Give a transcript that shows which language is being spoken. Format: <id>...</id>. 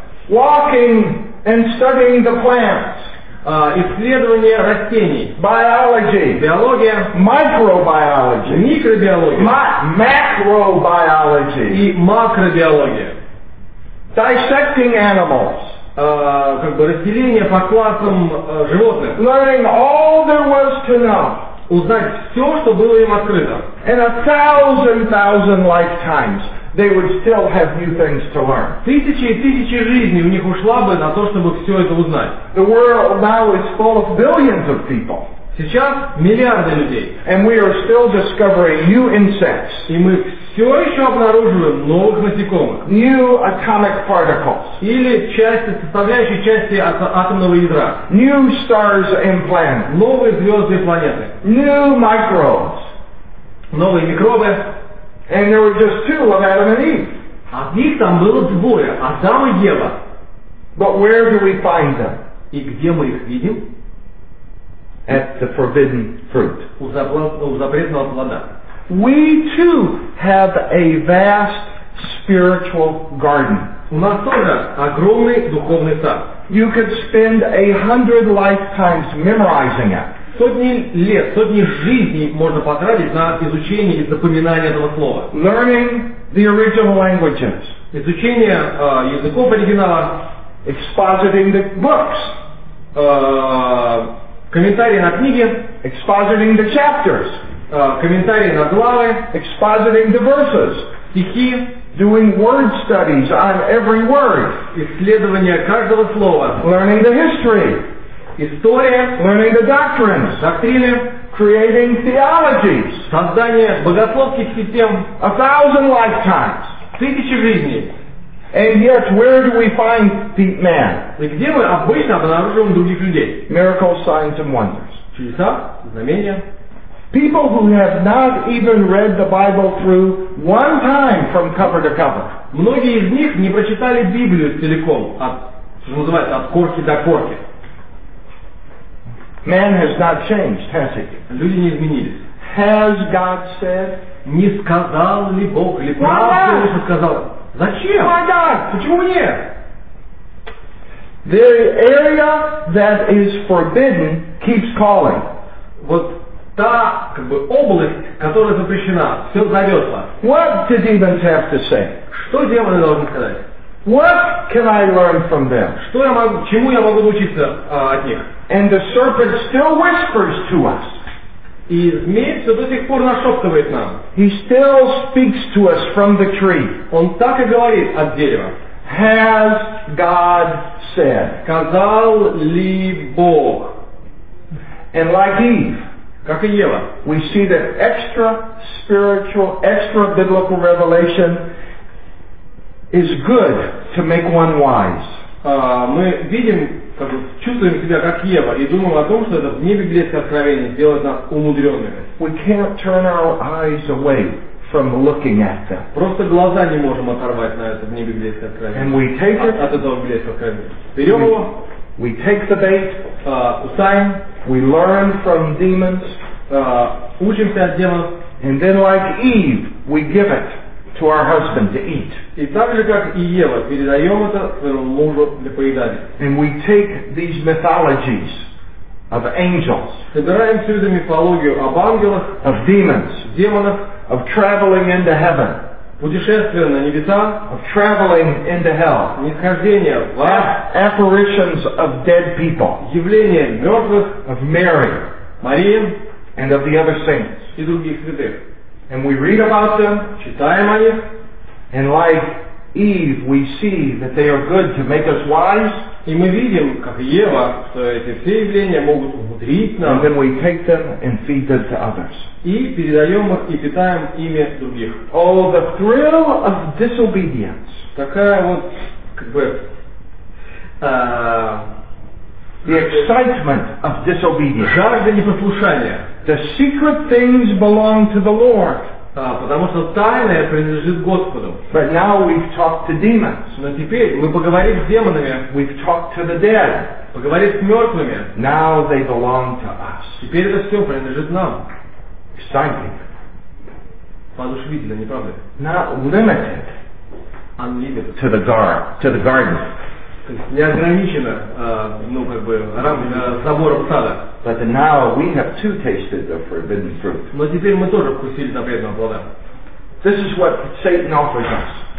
<en>Walking and studying the plants.</en> <ru>Исследование растений.</ru> <en>Biology.</en> <ru>Биология.</ru> <en>Microbiology.</en> <ru>Микробиология.</ru> <en>Macrobiology.</en> <ru>И макробиология.</ru> <en>Dissecting animals.</en> <ru>Разделение по классам животных.</ru> <en>Learning all there was to know.</en> <ru>Узнать все, что было им открыто.</ru> <en>In a thousand, thousand lifetimes. They would still have new things to learn.</en> <ru>Тысячи и тысячи жизней у них ушла бы на то, чтобы все это узнать.</ru> <en>The world now is full of billions of people.</en> <ru>Сейчас миллиарды людей.</ru> <en>And we are still discovering new insects.</en> <ru>И мы все еще обнаруживаем новых насекомых.</ru> <en>New atomic particles.</en> <ru>Или части, составляющие части атомного ядра.</ru> <en>New stars and planets.</en> <ru>Новые звезды и планеты.</ru> <en>New microbes.</en> <ru>Новые микробы.</ru> <en>And there were just two of Adam and Eve.</en> <ru>А их там было двое, Адам и Ева.</ru> <en>But where do we find them?</en> <ru>И где мы их видим?</ru> <en>At the forbidden fruit.</en> <ru>У запретного плода.</ru> <en>We too have a vast spiritual garden.</en> <ru>У нас тоже огромный духовный сад.</ru> <en>You could spend 100 lifetimes memorizing it.</en> <ru>Сотни лет, сотни жизней можно потратить на изучение и запоминание этого слова.</ru> <en>Learning the original languages.</en> <ru>Изучение языков оригинала.</ru> <en>Expositing the books.</en> <ru>Комментарии на книги.</ru> <en>Expositing the chapters.</en> <ru>Комментарии на главы.</ru> <en>Expositing the verses.</en> <ru>Стихи.</ru> <en>Doing word studies on every word.</en> <ru>Исследование каждого слова.</ru> <en>Learning the history.</en> <ru>История.</ru> <en>Learning the doctrines.</en> <ru>Доктрины.</ru> <en>Creating theologies.</en> <ru>Создание богословских систем.</ru> <en>A thousand lifetimes.</en> <ru>Тысячи жизней.</ru> <en>And yet, where do we find the man?</en> <ru>И где мы обычно обнаруживаем других людей?</ru> <en>Miracles, signs, and wonders.</en> <ru>Чудеса, знамения.</ru> <en>People who have not even read the Bible through one time from cover to cover.</en> <ru>Многие из них не прочитали Библию целиком, от, что называется, от корки до корки.</ru> <en>Man has not changed, has he?</en> <ru>Люди не изменились.</ru> <en>Has God said?</en> <ru>Не сказал ли Бог, или правду что сказал? Зачем?</ru> <en>Why God?</en> <ru>Почему мне?</ru> <en>The area that is forbidden keeps calling.</en> <ru>Вот та как бы область, которая запрещена, все зовет вас.</ru> <en>What do demons have to say?</en> <ru>Что демоны должны сказать?</ru> <en>What can I learn from them?</en> <ru>Что я могу, чему я могу научиться от них?</ru> <en>And the serpent still whispers to us.</en> <ru>И змей все до сих пор нашептывает нам.</ru> <en>He still speaks to us from the tree.</en> <ru>Он так и говорит от дерева.</ru> <en>Has God said?</en> <ru>Сказал ли Бог?</ru> <en>And like Eve.</en> <ru>Как и Ева.</ru> <en>We see that extra spiritual, extra biblical revelation is good to make one wise.</en> <ru>Мы видим, как бы, чувствуем себя как Ева и думаем о том, что это вне библейское откровение делает нас умудренными.</ru> <en>We can't turn our eyes away from looking at them.</en> <ru>Просто глаза не можем оторвать на это вне библейское откровение.</ru> <en>And we take it,</en> <ru>от этого библейского откровения. Берем его.</ru> <en>We take the bait.</en> <ru>Кусаем.</ru> <en>We learn from demons.</en> <ru>Учимся от демонов.</ru> <en>And then like Eve, we give it to our husband to eat.</en> <ru>И так же, как и Ева, передаем это своему мужу для поедания.</ru> <en>And we take these mythologies of angels.</en> <ru>Собираем всю эту мифологию об ангелах.</ru> <en>Of demons.</en> <ru>Демонов.</ru> <en>Of traveling into heaven.</en> <ru>Путешествие на небеса.</ru> <en>Of traveling into hell.</en> <ru>Нисхождение в ад.</ru> <en>Apparitions of dead people.</en> <ru>Явление мертвых.</ru> <en>Of Mary.</en> <ru>Марии.</ru> <en>And of the other saints.</en> <ru>И других святых.</ru> <en>And we read about them.</en> <ru>Читаем о них.</ru> <en>And like Eve, we see that they are good to make us wise.</en> <ru>И мы видим, как Ева, что эти все явления могут умудрить нам.</ru> <en>And then we take them and feed them to others.</en> <ru>И передаем их и питаем ими других.</ru> <en>Oh, the thrill of disobedience.</en> <ru>Такая вот, как бы,</ru> <en>the excitement of disobedience.</en> <ru>Жажда непослушания.</ru> <en>The secret things belong to the Lord.</en> <ru>Потому что тайное принадлежит Господу.</ru> <en>But now we've talked to demons.</en> <ru>Но теперь мы поговорим с демонами.</ru> <en>We've talked to the dead.</en> <ru>Поговорим с мертвыми.</ru> <en>Now they belong to us.</en> <ru>Теперь это все принадлежит нам.</ru> <en>Exciting.</en> <ru>Воодушевительно, не правда?</ru> <en>Not limited. Unlimited. To the guard, to the garden.</en> <ru>То есть неограниченно, ну как бы рамками забором сада.</ru> <en>But now we have too tasted the forbidden fruit.</en> <ru>Но теперь мы тоже вкусили запретного плода.</ru> <en>This is what Satan offers us.</en>